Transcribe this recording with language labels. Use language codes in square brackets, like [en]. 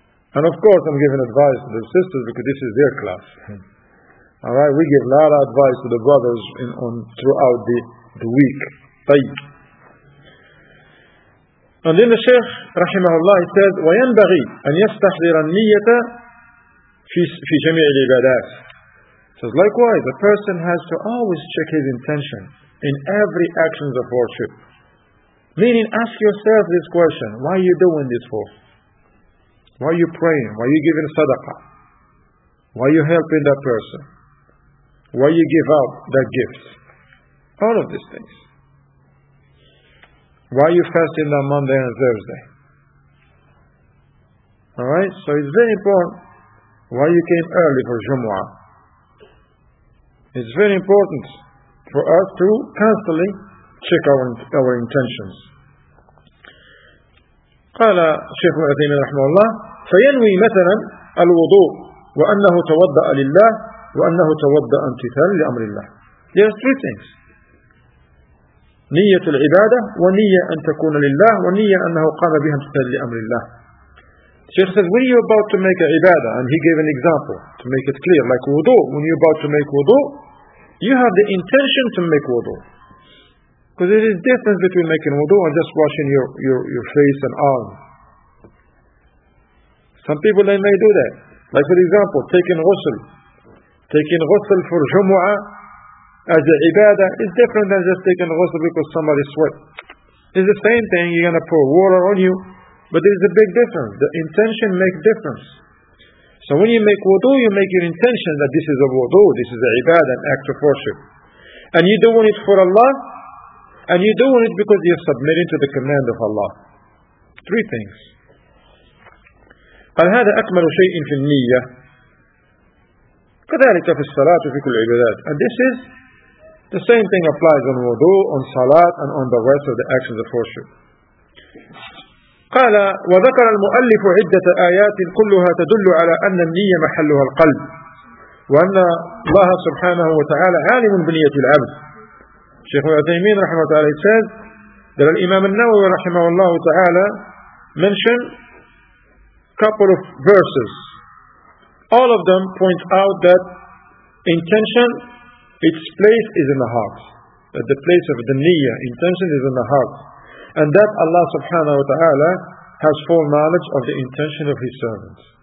[en] And of course, I'm giving advice to the sisters because this is their class. All right, we give a lot of advice to the brothers throughout the week. And then the Shaykh, rahimahullah, says, [ar] وَيَنْبَغِي أَنْ يَسْتَحْذِرَ النِّيَّةَ فِي جَمِيعِ الْعِبَادَاتِ. [en] Says, likewise, a person has to always check his intention in every action of worship. Meaning, ask yourself this question, why are you doing this for? Why are you praying? Why are you giving sadaqah? Why are you helping that person? Why you give out that gift? All of these things. Why you fasting on Monday and Thursday? Alright? So it's very important. Why you came early for Jumu'ah? It's very important for us to constantly check our intentions. [ar] قال شيخ العثيمين رحمه الله فينوي مثلا الوضوء وأنه توضأ لله وأنه توضأ امتثالا لأمر الله. [en] There are three things. [ar] نية العبادة ونية أن تكون لله ونية أنه قام بها امتثالا لأمر الله. [en] Sheikh says, when you're about to make a ibadah, and he gave an example to make it clear, like wudu, when you're about to make wudu, you have the intention to make wudu. Because there is a difference between making wudu and just washing your face and arm. Some people, they may do that. Like for example, taking ghusl for Jumu'ah as an ibadah is different than just taking ghusl because somebody sweat. It's the same thing, you're going to pour water on you, but there's a big difference. The intention makes difference. So when you make wudu, you make your intention that this is a wudu, this is an ibadah, an act of worship. And you're doing it for Allah, and you're doing it because you're submitting to the command of Allah. Three things. [ar] قال هذا أكمل شيء في النية كذلك في الصلاة وفي كل العبادات. [en] And this is the same thing applies on wudu, on salat, and on the rest of the actions of worship. [ar] قال وذكر المؤلف عدة آيات كلها تدل على أن النية محلها القلب وأن الله سبحانه وتعالى عالم بنية العبد. شيخ العثيمين رحمه الله تعالى يتساد قال الإمام النووي رحمه الله تعالى [en] mention couple of verses. All of them point out that intention, its place is in the heart. That the place of the niyyah, intention, is in the heart. And that Allah subhanahu wa ta'ala has full knowledge of the intention of His servants.